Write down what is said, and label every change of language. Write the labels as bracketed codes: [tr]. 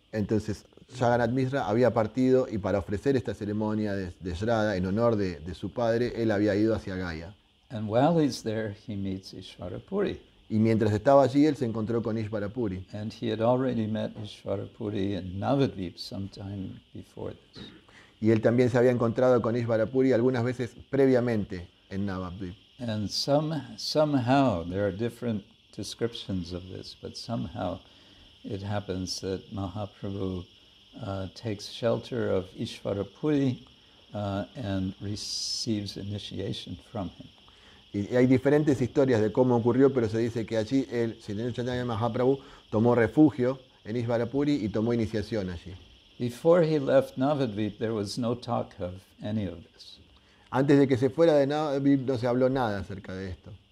[es] Entonces, Jagannath Mishra había partido y para ofrecer esta ceremonia de Shraddha en honor de su padre, él había ido hacia Gaya. [en] And while he's there, he meets Ishvara Puri. [es] Y mientras estaba allí, él se encontró con Ishvara Puri. [en] And he had already met Ishvara Puri in Navadvip sometime before this. [es] Y él también se había encontrado con Ishvara Puri algunas veces previamente en Navadvip. [en] And somehow there are different descriptions of this, but somehow it happens that Mahaprabhu takes shelter of Ishvara Puri and receives initiation from him. [es] Y hay diferentes historias de cómo ocurrió, pero se dice que allí el Señor Chaitanya Mahaprabhu tomó refugio en Ishvara Puri y tomó iniciación allí. [en] Before he left Navadvip, there was no talk of any of this. [es] Antes de que se fuera de Navadvip, no se habló nada acerca de esto.